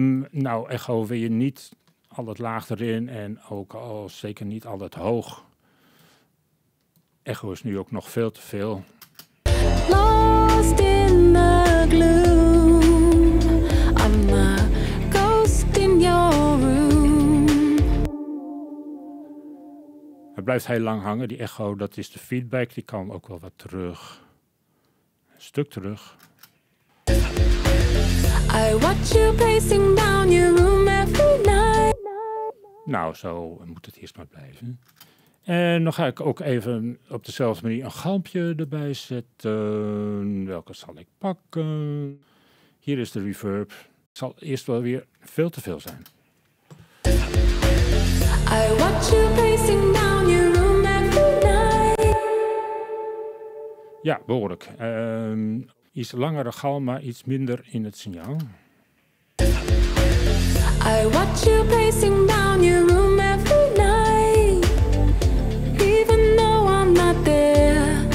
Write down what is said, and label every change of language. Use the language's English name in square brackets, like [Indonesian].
[Dutch] Nou, Echo wil je niet al het laag erin en ook al zeker niet al het hoog. Echo is nu ook nog veel te veel. [English] Lost in the gloom, I'm a ghost in your room. [Dutch] Het blijft heel lang hangen, die echo, dat is de feedback, die kan ook wel wat terug. Een stuk terug. [English] I watch you pacing down your room every night. [Dutch] Nou, zo moet het eerst maar blijven. En dan ga ik ook even op dezelfde manier een galmpje erbij zetten. Welke zal ik pakken? Hier is de reverb. Het zal eerst wel weer veel te veel zijn. [English] I watch you pacing down your room every night. [Dutch] Ja, behoorlijk. Iets langere galm, maar iets minder in het signaal. [English] I watch you pacing down your room every night, even though I'm not there.